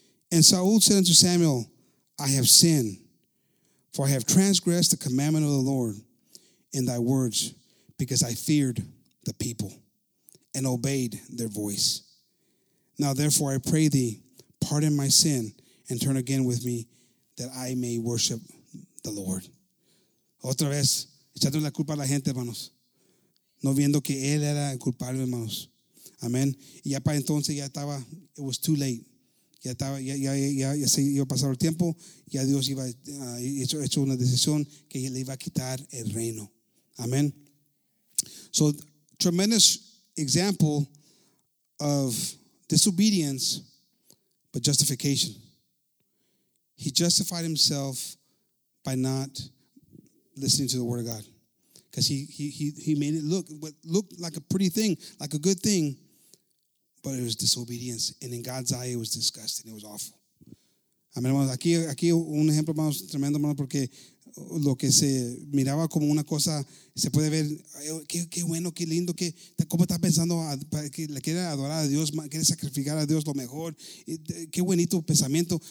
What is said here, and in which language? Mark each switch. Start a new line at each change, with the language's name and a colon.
English: And Saul said unto Samuel, I have sinned, for I have transgressed the commandment of the Lord in thy words, because I feared the people and obeyed their voice. Now therefore I pray thee, pardon my sin and turn again with me that I may worship the Lord.
Spanish: Otra vez, echando la culpa a la gente, hermanos. No viendo que él era el culpable, hermanos. Amén. Y ya para entonces ya estaba,
English: it was too late.
Spanish: Ya se iba a pasar el tiempo. Ya Dios iba a hecho una decisión que le iba a quitar el reino.
English: Amén. So, tremendous example of disobedience but justification. He justified himself by not listening to the Word of God. Because he made it look what looked like a pretty thing, like a good thing, but it was disobedience. And in God's eye, it was disgusting. It was awful. Amén, hermanos.
Spanish: Aquí un ejemplo, hermanos, tremendo, hermanos, porque lo que se miraba como una cosa, se puede ver, qué bueno, qué lindo, cómo está pensando, que le quiere adorar a Dios, quiere sacrificar a Dios lo mejor, qué bonito pensamiento.